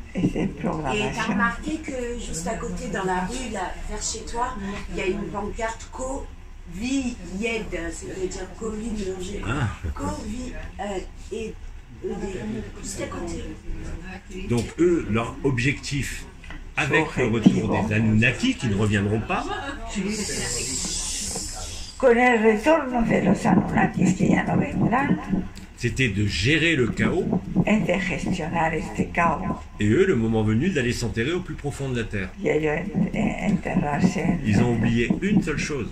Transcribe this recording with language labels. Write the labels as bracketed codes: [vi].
[fr] Et t'as remarqué que juste à côté, dans la rue, là, vers chez toi, il y a une pancarte Covid, Covid. Donc eux, leur objectif avec le retour des Anunnaki qui ne reviendront pas. [es] Con el retorno de los Anunnaki que ya no vendrán. [fr] C'était de gérer le chaos. Et de [es] gestionar este caos. [fr] Et eux, le moment venu d'aller s'enterrer au plus profond de la terre. [es] Y ellos enterrarse. [fr] Ils ont oublié une seule chose.